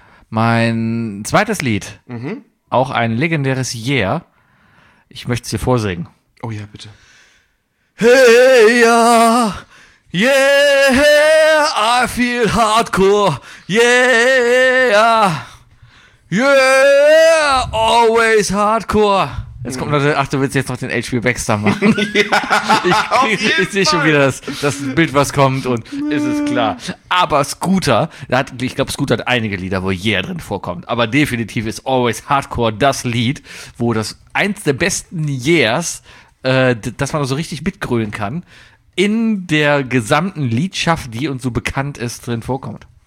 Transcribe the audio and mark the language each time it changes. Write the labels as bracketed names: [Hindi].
[German] Mein zweites Lied, auch ein legendäres Yeah. Ich möchte es dir vorsingen. Oh ja, bitte. [English] Hey, ja, yeah, I feel hardcore, yeah, yeah, always hardcore. [German] Jetzt kommt noch, ach, du willst jetzt noch den H.B. Baxter machen. Ich sehe schon wieder das Bild, was kommt und ist es klar. Aber Scooter, ich glaube, Scooter hat einige Lieder, wo Yeah drin vorkommt. Aber definitiv ist Always Hardcore das Lied, wo das eins der besten Yeahs, dass man so richtig mitgrölen kann, in der gesamten Liedschaft, die uns so bekannt ist, drin vorkommt.